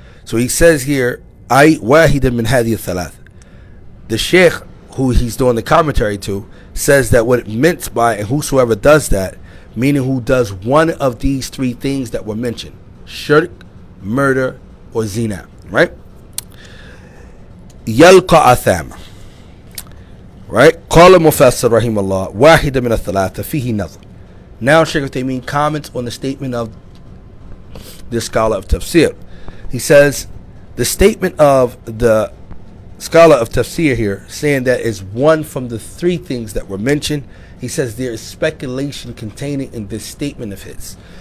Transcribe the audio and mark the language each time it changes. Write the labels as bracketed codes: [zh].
[en] So he says here, "I [ar] واحد من هذه الثلاث." [en] The Sheikh, who he's doing the commentary to, says that what it meant by "and whosoever does that," meaning who does one of these three things that were mentioned, shirk, murder, or zina, right? [ar] يلقى أثام. [en] Right? [ar] قال المفسر رحمه الله واحد من الثلاثة فيه نظر. [en] Now Sheikh Uthaymeen comments on the statement of this scholar of tafsir. He says, the statement of the scholar of tafsir here, saying that is one from the three things that were mentioned, he says there is speculation contained in this statement of his.